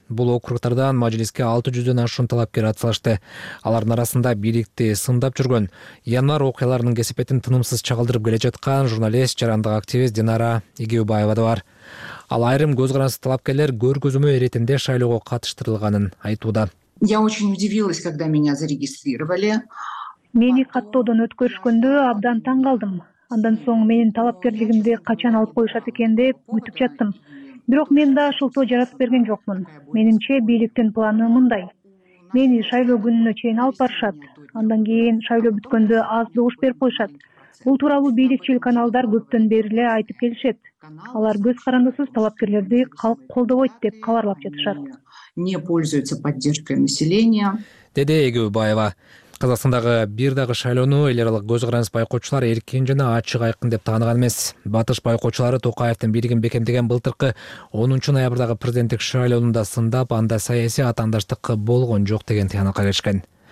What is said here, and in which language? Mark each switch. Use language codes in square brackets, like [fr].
[ky] Бул округдардан мажилиске 600 ашуун талапкер атсалышты. Алардын арасында бийликти сындап жүргөн, январь окуяларынын кесепетин тынымсыз чагылдырып келе жаткан журналист, жарандык активист Динара Эгеубаева да бар. Ал айрым көз карансыз талапкерлер көргөзмө иретинде шайлоого катыштырылганын айтууда. [ru] Я очень удивилась, когда меня зарегистрировали. [ky] Мени каттоодон өткөрүшкөндө абдан таң калдым. Андан соң менин талапкерлигимди качан алып коюшат экен деп күтүп жаттым. Бирок мен да шылтоо жаратып берген жокмун. Менимче бийликтин планы мындай. Мени шайлоо күнүнө чейин алып барышат. Андан кийин шайлоо бүткөндө аз добуш берип коюшат. Бул тууралуу бийликчил каналдар көптөн бери эле айтып келишет. Алар көз карандысыз талапкерлерди калк колдобойт деп кабарлап жатышат. [ru] Не пользуются поддержкой населения. [ky] Деди Эгеубаева. Казакстандагы бир дагы шайлоону эл аралык көз карандысыз байкоочулар эркин жана ачык айкын деп тааныган эмес. Батыш байкоочулары Токаевдин бийлигин бекемдеген былтыркы 10-ноябрдагы президенттик шайлоонунда сындап, анда саясий атаандаштык болгон жок деген тыянакка келишкен.